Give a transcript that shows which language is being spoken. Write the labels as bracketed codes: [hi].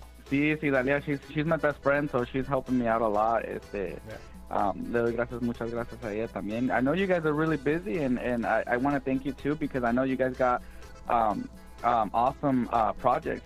[en] Sí, Dalia, she's my best friend, so she's helping me out a lot. [es] Le doy muchas gracias a ella también. [en] I know you guys are really busy and I want to thank you too, because I know you guys got awesome projects.